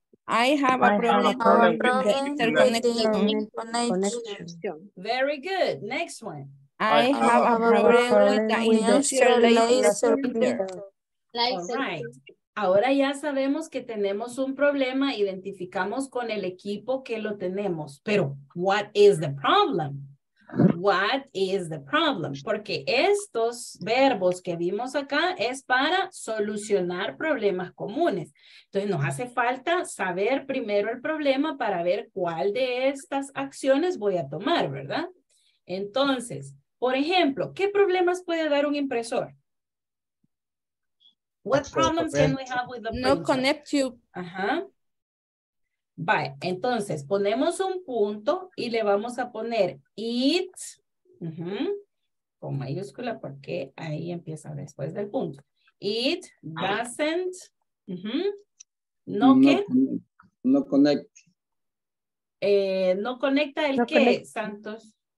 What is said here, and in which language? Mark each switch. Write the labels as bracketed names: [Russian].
[English] I have a problem with the internet connection. Very good. Next one. I have a problem with the industrial laser printer. All right. [Spanish] Ahora ya sabemos que tenemos un problema, identificamos con el equipo que lo tenemos. Pero, [English] what is the problem? What is the problem? [Spanish] Porque estos verbos que vimos acá es para solucionar problemas comunes. Entonces nos hace falta saber primero el problema para ver cuál de estas acciones voy a tomar, ¿verdad? Entonces, por ejemplo, ¿qué problemas puede dar un impresor? [English] What problems can we have with the printer? No connect you. Ajá. [Spanish] Vale, entonces ponemos un punto y le vamos a poner it, con mayúscula porque ahí empieza después del punto. [English] It doesn't, [Spanish] no conecta el qué, Santos.